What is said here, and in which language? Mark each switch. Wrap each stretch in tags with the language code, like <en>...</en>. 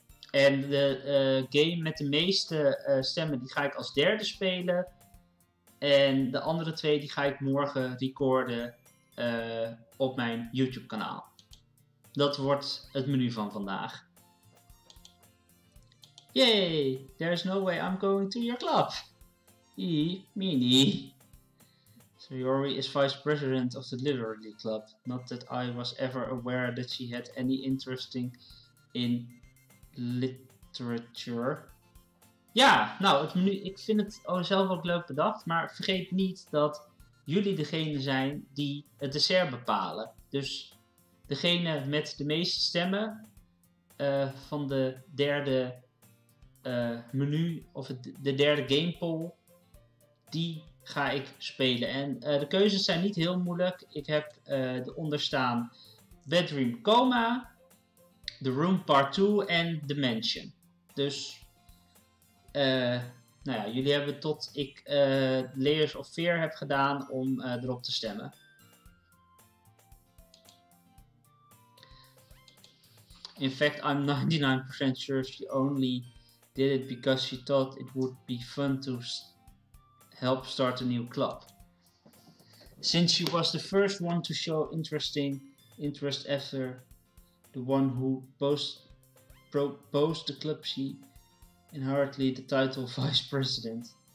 <nl>En de game met de meeste stemmen, die ga ik als derde spelen. En de andere twee die ga ik morgen recorden op mijn YouTube kanaal. Dat wordt het menu van vandaag. Yay!</nl> <en>There's no way I'm going to your club! Mini. Sayori is vice president of the Literary Club. Not that I was ever aware that she had any interest in literature.</en> <nl>Ja, nou, het menu, ik vind het zelf ook leuk bedacht. Maar vergeet niet dat jullie degene zijn die het dessert bepalen. Dus degene met de meeste stemmen van de derde menu of de derde gamepoll, die ga ik spelen. En de keuzes zijn niet heel moeilijk. Ik heb de onderstaan Bedroom Coma, The Room Part 2 en The Mansion. Dus nou ja, jullie hebben tot ik Layers of Fear heb gedaan om erop te stemmen.</nl> <en>In fact, I'm 99% sure she only did it because she thought it would be fun to help start a new club. Since she was the first one to show interest after the one who proposed the club, she inherently the title vice president.</en>